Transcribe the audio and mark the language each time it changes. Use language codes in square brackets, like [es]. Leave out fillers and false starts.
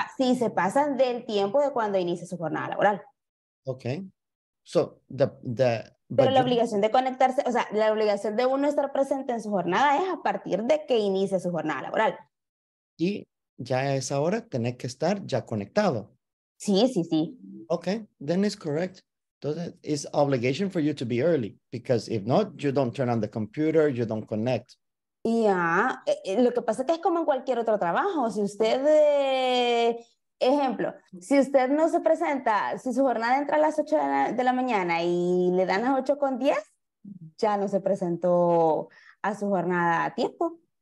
[es] Si se pasan del tiempo de cuando inicia su jornada laboral. [en] Ok. So, [es] pero la obligación de conectarse, o sea, la obligación de uno estar presente en su jornada es a partir de que inicia su jornada laboral. Y ya a esa hora tenés que estar ya conectado. Sí. [en] Ok, then it's correct. It's obligation for you to be early, because if not, you don't turn on the computer, you don't connect. [es] Yeah, lo que pasa es que es como en cualquier otro trabajo. Si usted, ejemplo, si usted no se presenta, si su jornada entra a las 8 de la mañana y le dan las 8:10, ya no se presentó a su jornada a tiempo.